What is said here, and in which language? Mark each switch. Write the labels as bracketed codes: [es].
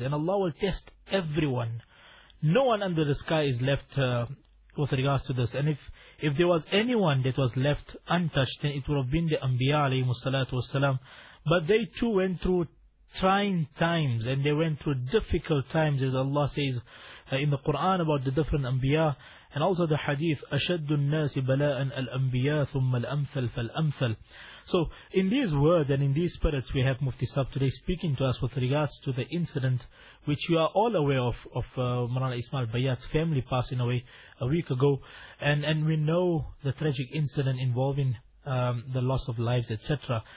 [en] And Allah will test everyone. No one under the sky is left with regards to this. And if there was anyone that was left untouched, then it would have been the Anbiya alayhi salatu wasalam. But they too went through trying times, and they went through difficult times, as Allah says in the Quran about the different Anbiya. And also the hadith, [ar] أَشَدُّ النَّاسِ بَلَاءً الْأَنْبِيَا ثُمَّ الْأَمْثَلْ فَالْأَمْثَلُ. [en] So in these words and in these spirits, we have Mufti Saab today speaking to us with regards to the incident which you are all aware of Marana Ismail Bayat's family passing away a week ago. And we know the tragic incident involving the loss of lives, etc.